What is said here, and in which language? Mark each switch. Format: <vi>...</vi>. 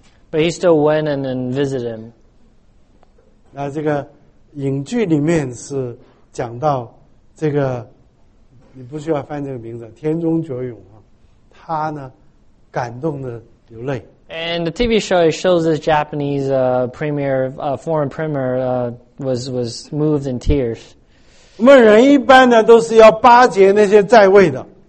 <en>But he still went and then visited him.</en> <zh>那这个影剧里面是讲到这个，你不需要翻这个名字，田中角勇啊，他呢感动的流泪。</zh> <en>And the TV show it shows this Japanese premier, foreign premier, was moved in tears.</en> <zh>我们人一般呢都是要巴结那些在位的。</zh>